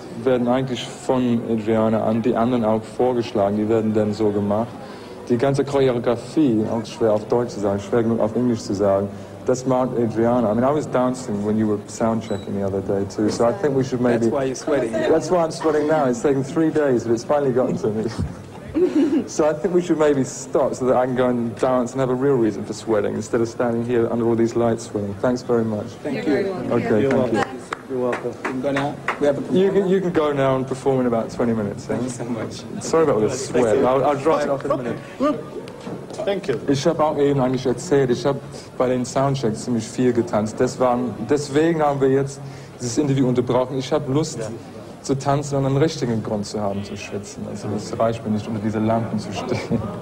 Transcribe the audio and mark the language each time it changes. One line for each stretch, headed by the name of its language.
German: werden eigentlich von Adriana an die anderen auch vorgeschlagen, die werden dann so gemacht. Die ganze Choreografie, auch schwer auf Deutsch zu sagen, schwer genug auf Englisch zu sagen, das macht Adriana.
English: I mean, I was dancing when you were soundchecking the other day too, so I think we should maybe... That's why you're sweating. That's why I'm sweating now. It's taken 3 days, but it's finally gotten to me. So I think we should maybe stop so that I can go and dance and have a real reason for sweating instead of standing here under all these lights sweating. Thanks very much. Thank you. Okay, you're thank welcome. You. You're welcome. You can go now. You can go now and perform in about 20 minutes. Thank you so much. Sorry about all this sweat. I'll dry it off in a minute. Thank you.
German: Ich habe auch eben eigentlich erzählt, ich habe bei den Soundchecks ziemlich viel getanzt. Deswegen haben wir jetzt dieses Interview unterbrochen. Ich habe Lust zu tanzen und einen richtigen Grund zu haben, zu schwitzen. Also es reicht mir nicht, unter diese Lampen zu stehen.